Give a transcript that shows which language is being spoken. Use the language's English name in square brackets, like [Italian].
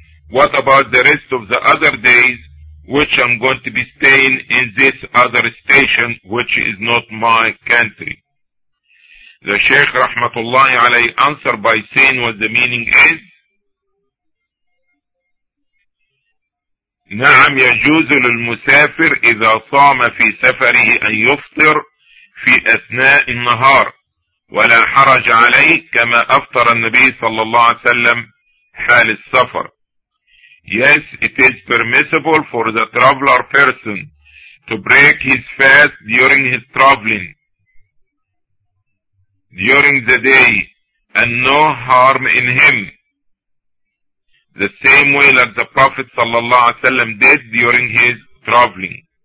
[English] What about the rest of the other days which I'm going to be staying in this other station which is not my country? The Shaykh Rahmatullahi alayhi answered by saying what the meaning is. [Arabic] نعم يجوز للمسافر إذا صام في سفره أن يفطر في أثناء النهار. ولا حرج عليه كما أفطر النبي صلى الله عليه وسلم حال السفر. [English] Yes, it is permissible for the traveler person to break his fast during his traveling, during the day, and no harm in him. The same way like the Prophet صلى الله عليه وسلم did during his traveling.